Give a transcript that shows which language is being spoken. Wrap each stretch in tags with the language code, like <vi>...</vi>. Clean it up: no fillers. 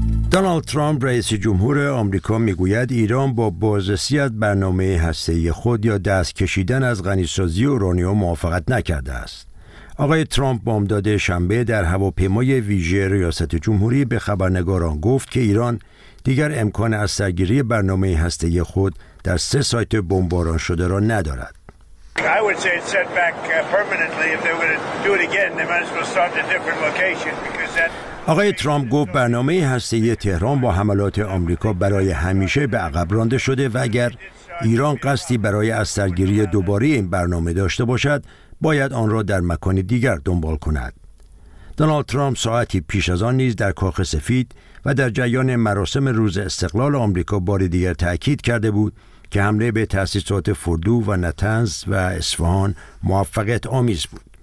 <fa>دونالد ترامپ رئیس جمهور آمریکا میگوید ایران با بازرسی از برنامه هسته‌ای خود یا دست کشیدن از غنی‌سازی اورانیوم موافقت نکرده است. آقای ترامپ بامداد شنبه در هواپیمای ویژه ریاست جمهوری به خبرنگاران گفت که ایران دیگر امکان از سرگیری برنامه هسته‌ای خود در 3 سایت بمباران شده را ندارد.</fa> <en>I would say it's set back permanently. If they were to do it again, they might as well start a different location because that.</en> <fa>آقای ترامپ گفت برنامه هسته‌ای تهران با حملات آمریکا برای همیشه به عقب رانده شده و اگر ایران قصدی برای از سرگیری دوباره این برنامه داشته باشد، باید آن را در مکان دیگر دنبال کند. دونالد ترامپ ساعتی پیش از آن نیز در کاخ سفید و در جریان مراسم روز استقلال آمریکا بار دیگر تأکید کرده بود که حمله به تأسیسات فردو و نتنز و اصفهان موفقیت آمیز بود.</fa>